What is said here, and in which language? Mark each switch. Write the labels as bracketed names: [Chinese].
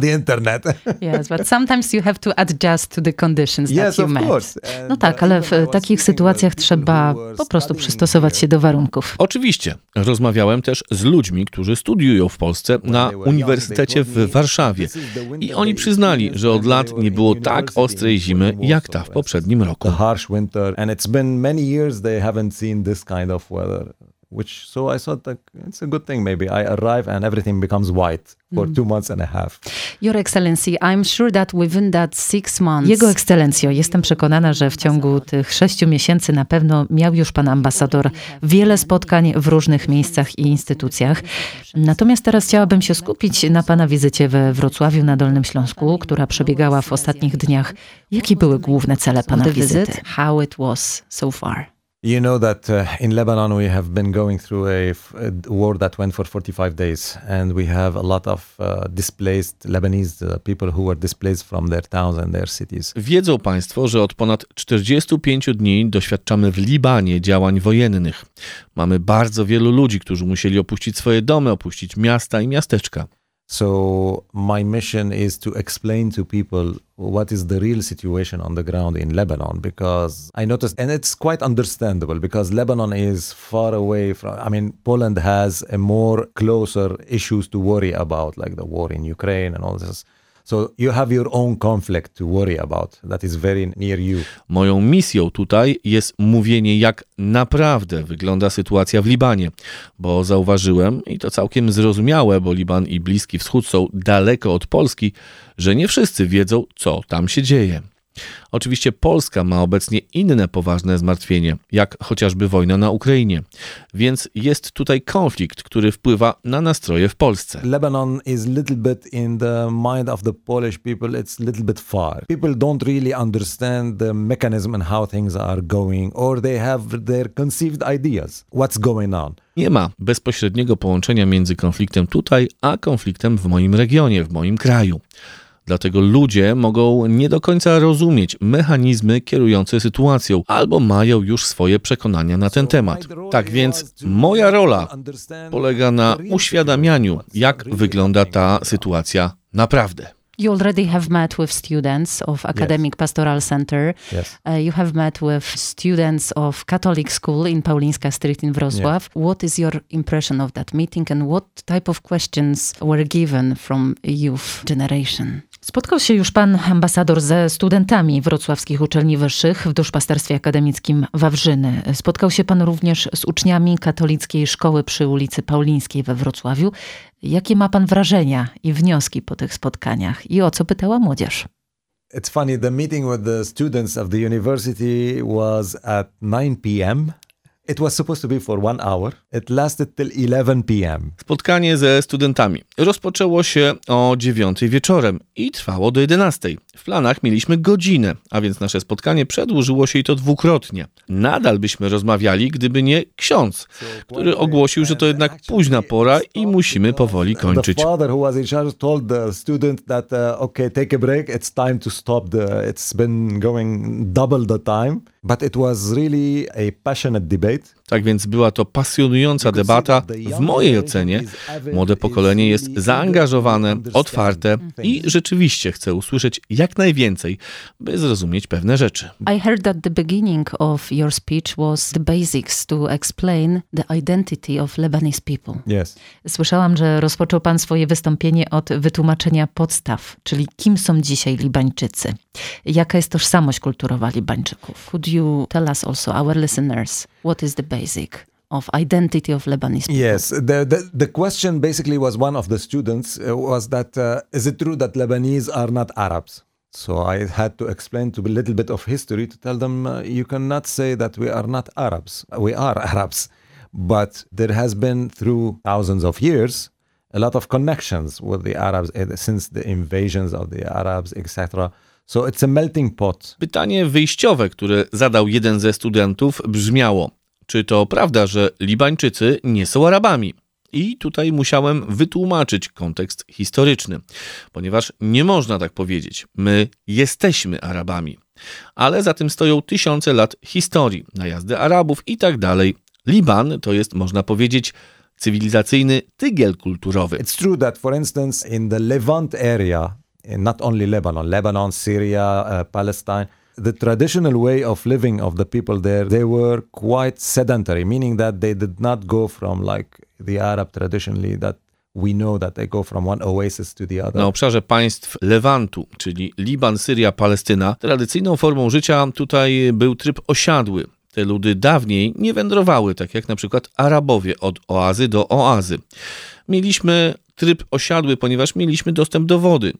[English] The internet. Yes, but sometimes you have to adjust to the conditions that yes, you met. Yes, of course. [Polish] No tak, ale w takich sytuacjach trzeba po prostu przystosować się do warunków. Oczywiście. Rozmawiałem też z ludźmi, którzy studiują w Polsce na Uniwersytecie w Warszawie. I oni przyznali, że od lat nie było tak ostrej zimy, jak ta w poprzednim roku. [English] The harsh winter and it's been many years they haven't seen this kind of weather. which so I thought that it's a good thing maybe. I arrive and everything becomes white for 2 months and a half. Your Excellency, I'm sure that within that 6 months... [Polish] Jego Ekscelencjo, jestem przekonana, że w ciągu tych 6 miesięcy na pewno miał już pan ambasador wiele spotkań w różnych miejscach i instytucjach. Natomiast teraz chciałabym się skupić na pana wizycie we Wrocławiu na Dolnym Śląsku, która przebiegała w ostatnich dniach. Jakie były główne cele pana wizyty? [English] How it was so far? You know that in Lebanon we have been going through a war that went for 45 days and we have a lot of displaced Lebanese people who were displaced from their towns and their cities. [Polish] Wiedzą państwo, że od ponad 45 dni doświadczamy w Libanie działań wojennych. Mamy bardzo wielu ludzi, którzy musieli opuścić swoje domy, opuścić miasta i miasteczka. [English] So my mission is to explain to people what is the real situation on the ground in Lebanon, because I noticed, and it's quite understandable, because Lebanon is far away from, I mean, Poland has a more closer issues to worry about, like the war in Ukraine and all this. So you have your own conflict to worry about that is very near you. [Polish] Moją misją tutaj jest mówienie, jak naprawdę wygląda sytuacja w Libanie, bo zauważyłem, i to całkiem zrozumiałe, bo Liban i Bliski Wschód są daleko od Polski, że nie wszyscy wiedzą, co tam się dzieje. Oczywiście Polska ma obecnie inne poważne zmartwienie, jak chociażby wojna na Ukrainie. Więc jest tutaj konflikt, który wpływa na nastroje w Polsce. [English] Lebanon is little bit in the mind of the Polish people, it's little bit far. People don't really understand the mechanism and how things are going, or they have their conceived ideas. What's going on? [Polish] Nie ma bezpośredniego połączenia między konfliktem tutaj a konfliktem w moim regionie, w moim kraju. Dlatego ludzie mogą nie do końca rozumieć mechanizmy kierujące sytuacją albo mają już swoje przekonania na ten temat. Tak więc moja rola polega na uświadamianiu, jak wygląda ta sytuacja naprawdę. [English] You already have met with students of Academic Pastoral Center. Yes. You have met with students of Catholic School in Paulinska Street in Wrocław. Yeah. What is your impression of that meeting and what type of questions were given from youth generation? [Polish] Spotkał się już pan ambasador ze studentami wrocławskich uczelni wyższych w duszpasterstwie akademickim Wawrzyny. Spotkał się pan również z uczniami katolickiej szkoły przy ulicy Paulińskiej we Wrocławiu. Jakie ma pan wrażenia i wnioski po tych spotkaniach i o co pytała młodzież? [English] It's funny, the meeting with the students of the university was at 9 p.m., It was supposed to be for 1 hour. It lasted till 11 p.m. [Polish] Spotkanie ze studentami rozpoczęło się o 9 wieczorem i trwało do 11. W planach mieliśmy godzinę, a więc nasze spotkanie przedłużyło się i to dwukrotnie. Nadal byśmy rozmawiali, gdyby nie ksiądz, który ogłosił, że to jednak późna pora i musimy powoli kończyć. [English] The father who was in charge told the student that okay, take a break, it's time to stop. It's been going double the time. But it was really a passionate debate. [Polish] Tak więc była to pasjonująca debata. W mojej ocenie młode pokolenie jest zaangażowane, otwarte i rzeczywiście chce usłyszeć jak najwięcej, by zrozumieć pewne rzeczy. [English] I heard that the beginning of your speech was the basics to explain the identity of Lebanese people. Yes. [Polish] Słyszałam, że rozpoczął pan swoje wystąpienie od wytłumaczenia podstaw, czyli kim są dzisiaj Libańczycy. Jaka jest tożsamość kulturowa Libańczyków? [English] Could you tell us also, our listeners, what is the basic of identity of Lebanese people? Yes, the question basically was one of the students, was that, is it true that Lebanese are not Arabs? So I had to explain to a little bit of history to tell them, you cannot say that we are not Arabs. We are Arabs, but there has been through thousands of years a lot of connections with the Arabs since the invasions of the Arabs, etc. So it's a melting pot. [Polish] Pytanie wyjściowe, które zadał jeden ze studentów, brzmiało: czy to prawda, że Libańczycy nie są Arabami? I tutaj musiałem wytłumaczyć kontekst historyczny, ponieważ nie można tak powiedzieć. My jesteśmy Arabami. Ale za tym stoją tysiące lat historii, najazdy Arabów i tak dalej. Liban to jest, można powiedzieć, cywilizacyjny tygiel kulturowy. [English] It's true that, for instance, in the Levant area, not only Lebanon, Syria, Palestine, the traditional way of living of the people there, they were quite sedentary, meaning that they did not go from like the Arab traditionally that we know that they go from one oasis to the other. [Polish] Na obszarze państw Lewantu, czyli Liban, Syria, Palestyna, tradycyjną formą życia tutaj był tryb osiadły. Te ludy dawniej nie wędrowały, tak jak na przykład Arabowie, od oazy do oazy. Mieliśmy tryb osiadły, ponieważ mieliśmy dostęp do wody.